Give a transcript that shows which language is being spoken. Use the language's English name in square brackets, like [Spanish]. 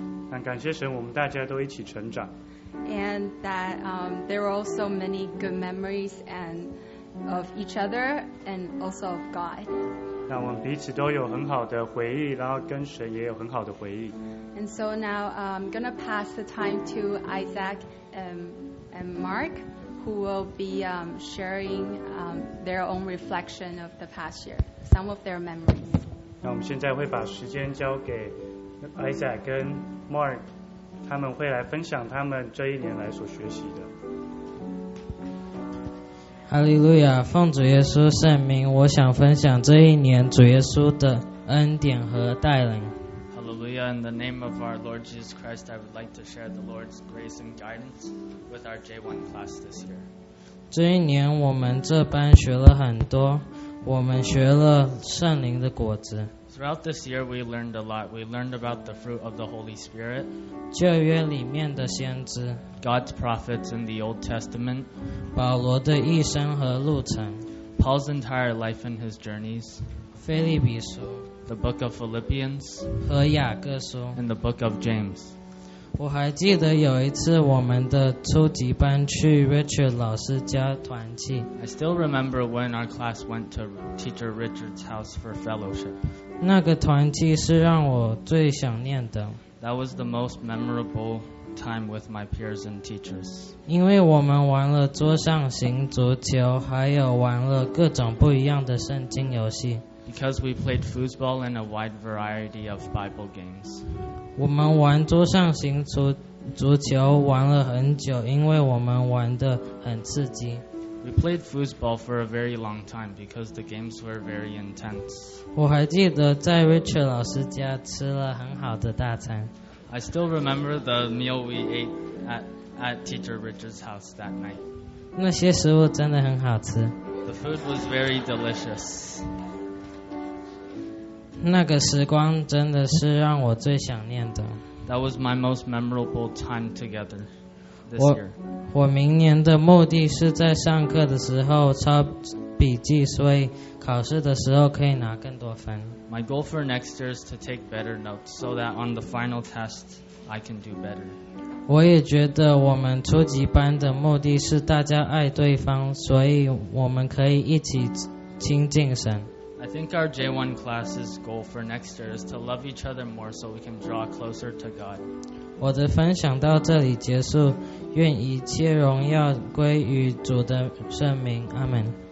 [Chinese] 那感谢神，我们大家都一起成长。 [English] And that there are also many good memories and. Of each other and also of God. [Chinese] 那我们彼此都有很好的回忆，然后跟神也有很好的回忆。 [English] And so now I'm gonna pass the time to Isaac and Mark, who will be sharing their own reflection of the past year, some of their memories. [Chinese] 那我们现在会把时间交给 Isaac 跟 Mark, 他们会来分享他们这一年来所学习的。哈利路亚，奉主耶稣圣名，我想分享这一年主耶稣的恩典和带领。 [English] 哈利路亚 ，In the name of our Lord Jesus Christ, I would like to share the Lord's grace and guidance with our J1 class this year. [Chinese] 这一年我们这班学了很多，我们学了圣灵的果子。 [English] Throughout this year, we learned a lot. We learned about the fruit of the Holy Spirit, [Chinese] 旧约里面的先知, [English] God's prophets in the Old Testament, [Chinese] 保罗的一生和路程, [English] Paul's entire life and his journeys, [Chinese] 腓立比书, [English] the book of Philippians, [Chinese] 和雅各书, [English] and the book of James. [Chinese] 我还记得有一次我们的初级班去 Richard 老师家团契, [English] I still remember when our class went to teacher Richard's house for fellowship. [Chinese] 那个团契是让我最想念的。 [English] That was the most memorable time with my peers and teachers. [Chinese] 因为我们玩了桌上型足球，还有玩了各种不一样的圣经游戏。 [English] Because we played foosball and a wide variety of Bible games. [Chinese] 我们玩桌上型足球玩了很久，因为我们玩得很刺激。 [English] We played foosball for a very long time because the games were very intense. [Chinese] 我还记得在 Richard 老师家吃了很好的大餐。 [English] I still remember the meal we ate at teacher Richard's house that night. [Chinese] 那些食物真的很好吃。 [English] The food was very delicious. [Chinese] 那个时光真的是让我最想念的。 [English] That was my most memorable time together. [Chinese] 我明年的目的是在上课的时候抄笔记，所以考试的时候可以拿更多分。 [English] My goal for next year is to take better notes so that on the final test I can do better. [Chinese] 我也觉得我们初级班的目的是大家爱对方，所以我们可以一起亲近神。 [English] I think our J1 class's goal for next year is to love each other more so we can draw closer to God. [Chinese] 我的分享到这里结束，愿一切荣耀归于主的圣名，阿们。